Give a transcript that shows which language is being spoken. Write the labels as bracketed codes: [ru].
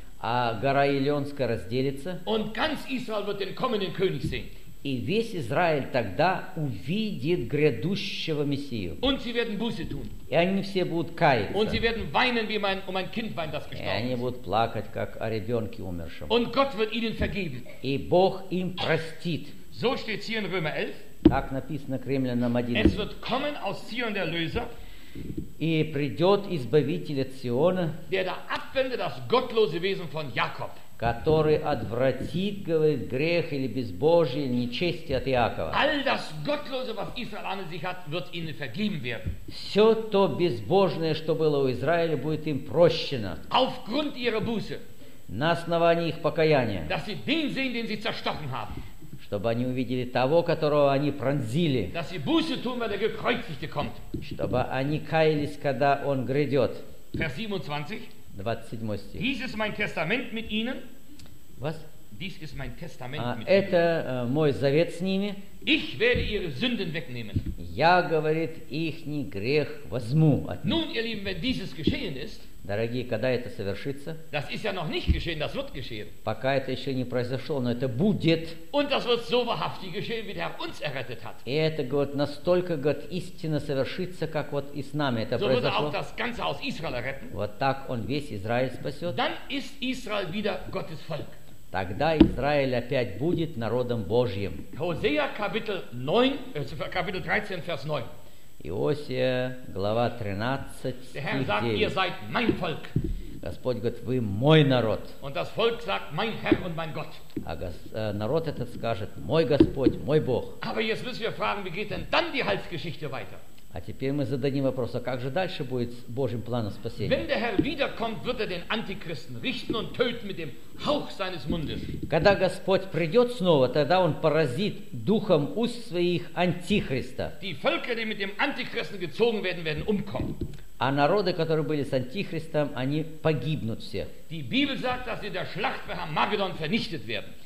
[ru] А гора Елеонская разделится. [de] Und ganz Israel wird den kommenden König sehen. [ru] И весь Израиль тогда увидит грядущего Мессию. [de] Und sie werden Buße tun. [ru] И они все будут каяться. [de] Und sie werden weinen, wie mein, um ein Kind weint, das gestorben ist. [ru] И они будут плакать, как о ребенке умершем. [de] Und Gott wird ihnen vergeben. [ru] И Бог им простит. [de] So steht's hier in Römer 11. [ru] Так написано к Римлянам 11. [de] Es wird kommen aus Zion der Löser. [ru] И придет избавитель от Сиона. [de] Der da abwende das gottlose Wesen von Jakob. [ru] Который отвратит, говорит, грех или безбожие, или нечестие от Иакова. [de] All das Gottlose, was Israel an sich hat, wird ihnen vergeben werden. [ru] Все то безбожное, что было у Израиля, будет им прощено. [de] Aufgrund ihrer Buße. [ru] На основании их покаяния. [de] Dass sie den sehen, den sie zerstochen haben. [ru] Чтобы они увидели того, которого они пронзили. [de] Dass sie Buße tun, weil der Gekreuzigte kommt. [ru] Чтобы они каялись, когда он грядет. [de] Vers 27. [ru] 27 стих. [de] Dies ist mein Testament mit ihnen. Was? Dies ist mein Testament mit ihnen. [ru] Это мой завет с ними. [de] Ich werde ihre Sünden wegnehmen. [ru] Я, говорит, ихний грех возьму от них. [de] Nun, ihr Lieben, wenn dieses geschehen ist. [ru] Дорогие, когда это совершится? [de] Das ist ja noch nicht geschehen, das wird geschehen. [ru] Пока это еще не произошло, но это будет. [de] Und das wird so wahrhaftig geschehen, wie der Herr uns errettet hat. [ru] И это, говорит, настолько, говорит, истинно совершится, как вот и с нами это [de] so [ru] произошло. [de] So wird auch das Ganze aus Israel retten. [ru] Вот так он весь Израиль спасет. [de] Dann ist Israel wieder Gottes Volk. [ru] Тогда Израиль опять будет народом Божьим. [de] Hosea Kapitel 9, Kapitel 13, Vers 9. [ru] Иосия, глава 13, [de] Der Herr sagt, 9. ihr seid mein Volk. [ru] Господь говорит, вы мой народ. [de] Und das Volk sagt, mein Herr und mein Gott. [ru] А народ этот скажет, мой Господь, мой Бог. [de] Aber jetzt müssen wir fragen, wie geht denn dann die Heilsgeschichte weiter? [ru] А теперь мы зададим вопрос, а как же дальше будет с Божьим планом спасения? [de] Wenn der Herr wiederkommt, wird den Antichristen richten und töten mit dem Hauch seines Mundes. [ru] Когда Господь придет снова, тогда он поразит духом уст своих Антихриста. [de] Die Völker, die mit dem Antichristen gezogen werden, werden umkommen. [ru] А народы, которые были с Антихристом, они погибнут все. [de] Die Bibel sagt, dass sie der Schlacht bei Armageddon vernichtet werden.